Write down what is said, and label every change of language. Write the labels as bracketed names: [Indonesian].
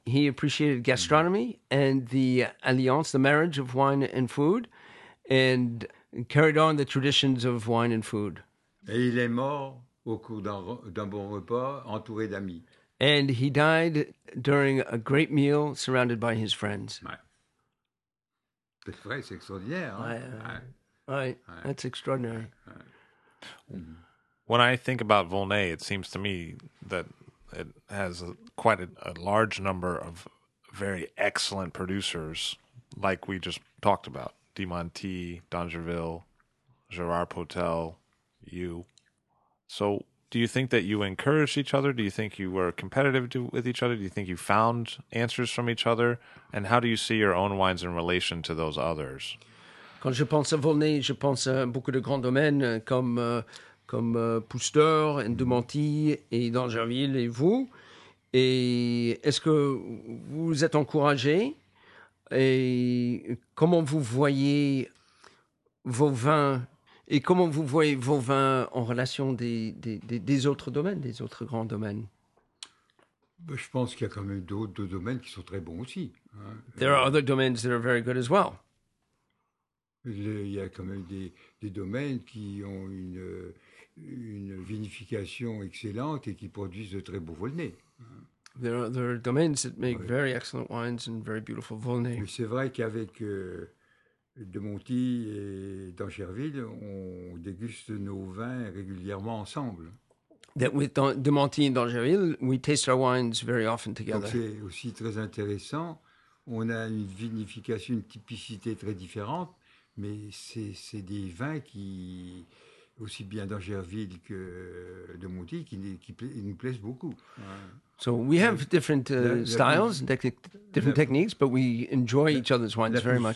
[English] He appreciated gastronomy and the alliance, the marriage of wine and food, and carried on the traditions of wine and food. [French] Et il est mort au cours d'un bon repas, entouré d'amis. [English] And he died during a great meal surrounded by his friends. [French] Ouais. C'est vrai, c'est extraordinaire. Hein? [English] Ouais. That's extraordinary. When I think about Volney, it seems to me that it has quite a large number of very excellent producers, like we just talked about. Dimonti, Dangerville, Gerard Potel, you. So do you think that you encouraged each other? Do you think you were competitive with each other? Do you think you found answers from each other? And how do you see your own wines in relation to those others? [French] Quand je pense à Volney, je pense à beaucoup de grands domaines comme Pousteur, Dumonti et Dangerville et vous. Et est-ce que vous êtes encouragé? Et comment vous voyez vos vins? Et comment vous voyez vos vins en relation des autres domaines, des autres grands domaines? Je pense qu'il y a quand même d'autres domaines qui sont très bons aussi. Hein. [English] There are other domains that are very good as well. [French] Il y a quand même des domaines qui ont une vinification excellente et qui produisent de très beaux Volnay. [English] There are domains that make very excellent wines and very beautiful Volnay. [French] Mais c'est vrai qu'avec Dumonti et Dangerville, on déguste nos vins régulièrement ensemble. [English] That with Dumonti and Dangerville, we taste our wines very often together. [French] Donc c'est aussi très intéressant. On a une vinification, une typicité très différente, mais c'est des vins qui, aussi bien Dangerville que Dumonti, qui nous plaisent beaucoup. [English] So we have different styles, different techniques, but we enjoy each other's wines very much.